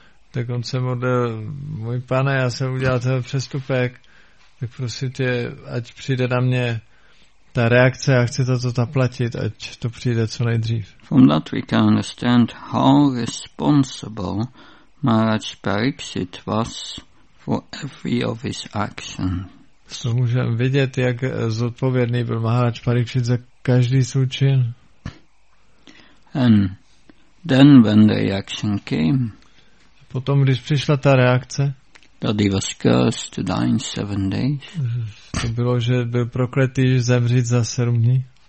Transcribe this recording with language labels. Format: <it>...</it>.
<cs>Tak on se modlil, můj pane, já jsem udělal ten přestupek, tak prosím tě, ať přijde na mě ta reakce, já chci to zaplatit, ať to přijde co nejdřív.</cs> <en>From that we can understand how responsible Maharaj Pariksit was for every of his action.</en> <cs>Z toho můžeme vidět, jak zodpovědný byl Maharaj Pariksit za každý svůj čin.</cs> <en>And then when the reaction came,</en> <cs>potom, když přišla ta reakce,</cs> <en>that he was cursed to die in 7 days,</en> <cs>to bylo, že byl prokletý zemřít za 7 dní.</cs>